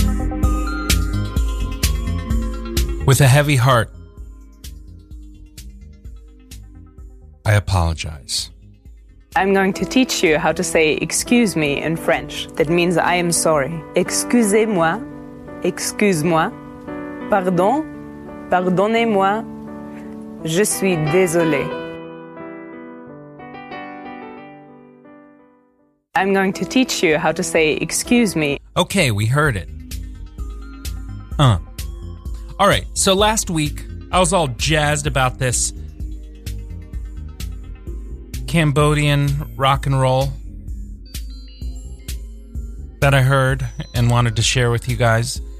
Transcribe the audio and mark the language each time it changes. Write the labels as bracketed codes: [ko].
[en] With a heavy heart, I apologize. I'm going to teach you how to say excuse me in French. That means I am sorry. [fr] Excusez-moi, excuse-moi, pardon, pardonnez-moi, je suis désolé. [en] I'm going to teach you how to say excuse me. Okay, we heard it. Huh. All right, so last week, I was all jazzed about this Cambodian rock and roll that I heard and wanted to share with you guys.